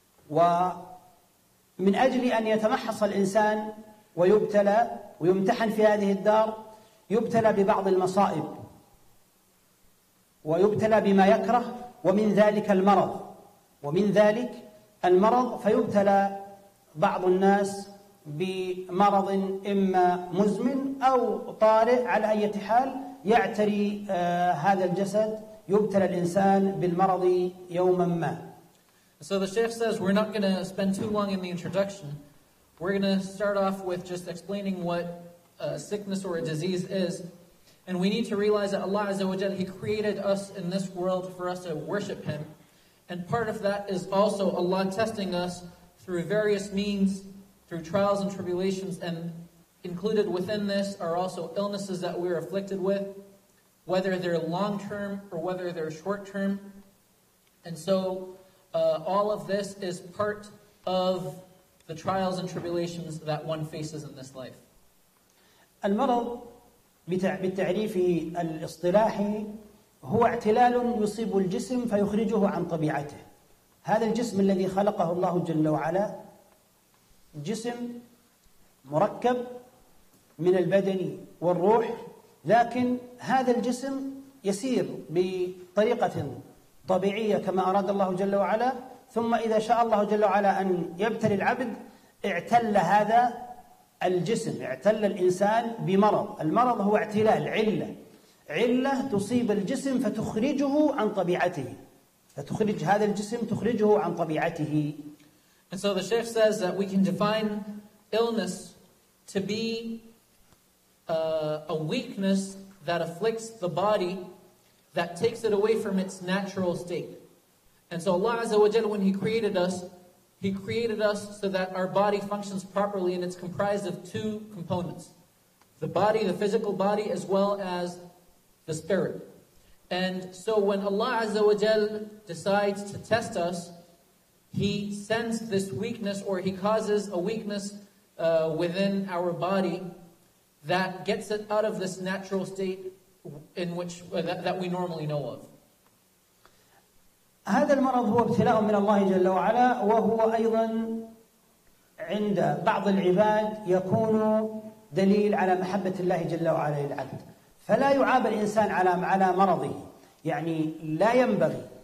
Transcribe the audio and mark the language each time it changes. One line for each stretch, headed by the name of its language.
Arabic: ومن أجل أن يتمحص الإنسان ويبتلى ويمتحن في هذه الدار، يبتلى ببعض المصائب ويبتلى بما يكره، ومن ذلك المرض، ومن ذلك المرض فيبتلى بعض الناس بمرض إما مزمن أو طارئ، على أي حال يعتري هذا الجسد، يبتلى الإنسان بالمرض يوما ما.
English: So the Sheikh says we're not going to spend too long in the introduction. We're going to start off with just explaining what a sickness or a disease is. And we need to realize that Allah Azza wa Jal, He created us in this world for us to worship Him. And part of that is also Allah testing us through various means, through trials and tribulations. And included within this are also illnesses that we are afflicted with, whether they're long-term or whether they're short-term. And so all of this is part of the trials and tribulations that one faces in this life.
Arabic: المرض بتعريفه الاصطلاحي هو اعتلال يصيب الجسم فيخرجه عن طبيعته. هذا الجسم الذي خلقه الله جل وعلا جسم مركب من البدن والروح، لكن هذا الجسم يسير بطريقة طبيعية كما أراد الله جل وعلا، ثم إذا شاء الله جل وعلا أن يبتلي العبد اعتل هذا الجسم، اعتل الإنسان بمرض. المرض هو اعتلال، علة، علة تصيب الجسم فتخرجه عن طبيعته، فتخرج هذا الجسم تخرجه عن طبيعته.
English: And so the Sheikh says that we can define illness to be a weakness that afflicts the body, that takes it away from its natural state. And so Allah Azza wa Jalla, when He created us, He created us so that our body functions properly, and it's comprised of two components. The body, the physical body, as well as the spirit. And so when Allah Azza wa Jalla decides to test us, He sends this weakness, or He causes a weakness within our body that gets it out of this natural state in which that we normally know of.
Arabic: هذا المرض هو ابتلاء من الله جل وعلا وهو أيضا عند بعض العباد يكون دليل على محبة الله جل وعلا للعبد فلا يعاب الإنسان على مرضه يعني لا ينبغي